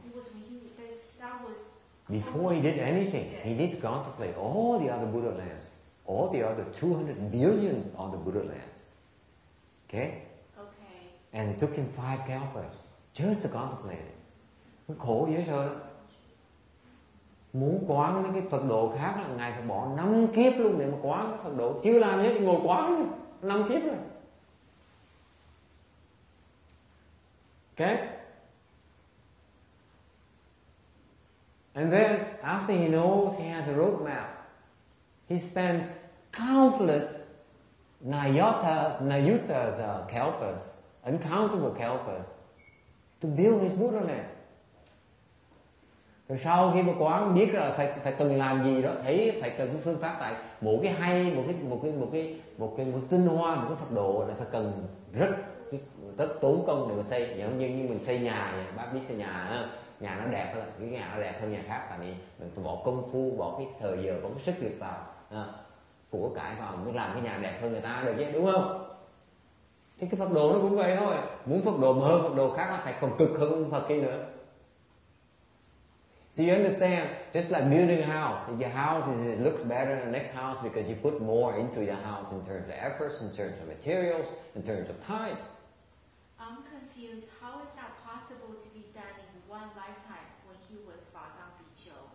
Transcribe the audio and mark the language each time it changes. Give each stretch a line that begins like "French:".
English: It was when that was... Before he did anything, he did contemplate all the other Buddha lands, all the other 200 billion other Buddha lands. Okay? Okay. And it took him 5 kalpas just to contemplate it.
Vietnamese: Khổ dễ sợ lắm. Muốn quán mấy cái Phật độ khác là ngài phải bỏ 5 kiếp luôn để mà quán cái Phật độ. Chưa làm hết, ngồi quán 5 kiếp rồi.
English: Ok. And then after he knows he has a roadmap, he spends countless nayutas, kalpas, uncountable kalpas to build his Buddha land.
Vietnamese: Rồi sau khi mà quán biết là phải cần làm gì đó, thấy phải cần cái phương pháp, tại một cái hay, một cái tinh hoa, một cái Phật độ là phải cần rất tốn công để mà xây. Giống như mình xây nhà vậy, bác biết xây nhà ha, nhà nó đẹp hơn, cái nhà nó đẹp hơn nhà khác, tại vì mình phải bỏ công phu, bỏ cái thời giờ, bỏ cái sức lực vào, của cải vào mới làm cái nhà đẹp hơn người ta được chứ, đúng không? Thì cái Phật độ nó cũng vậy thôi, muốn Phật độ hơn Phật độ khác là phải còn cực hơn Phật kia nữa.
English: So you understand, just like building a house, if your house is, it looks better than the next house because you put more into your house in terms of efforts, in terms of materials, in terms of time. I'm confused. How is that possible to be done in one lifetime when he was Fāzāng Bǐqiú?